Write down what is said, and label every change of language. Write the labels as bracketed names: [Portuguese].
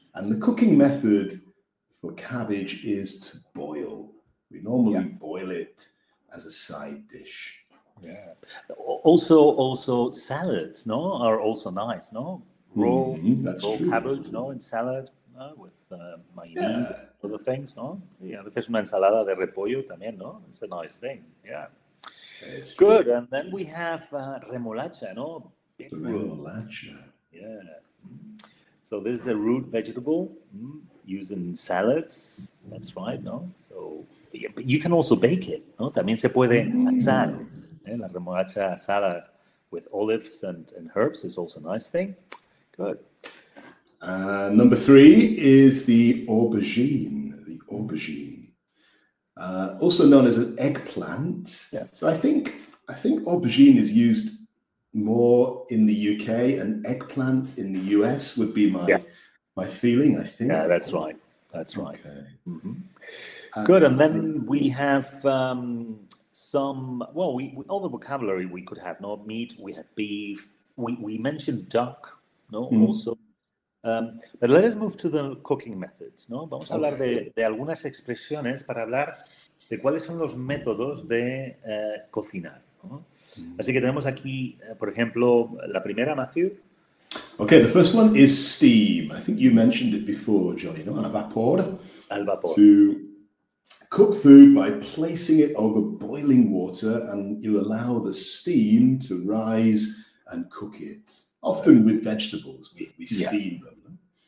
[English] And the cooking method for cabbage is to boil. We normally boil it as a side dish. Yeah. Also salads, no, are also nice, no? Raw cabbage, no, in salad, no, with mayonnaise and other things, no? [Spanish] Yeah, a veces una ensalada de repollo también, no? [English] It's a nice thing. Yeah. It's good. True. And then we have remolacha, no? [Spanish] Remolacha. [English] Yeah. So this is a root vegetable used in salads. That's right, no? So yeah, but you can also bake it, no? [Spanish] También se puede asar. La remolacha asada [English] with olives and herbs is also a nice thing. Good. Number three is the aubergine. The aubergine, also known as an eggplant. Yeah. So I think aubergine is used more in the UK, and eggplant in the US would be my feeling. I think. Yeah, that's right. That's right. Okay. Mm-hmm. Good. And then we have. We all the vocabulary we could have, no, meat, we have beef, we mentioned duck, no, also. But let us move to the cooking methods, no? [Spanish] Vamos a hablar de algunas expresiones para hablar de cuáles son los métodos de cocinar, ¿no? Así que tenemos aquí, por ejemplo, la primera, Matthew. [English] Okay, the first one is steam. I think you mentioned it before, Johnny, no? [Spanish] Al vapor. [English] Cook food by placing it over boiling water, and you allow the steam to rise and cook it. Often with vegetables, we steam them.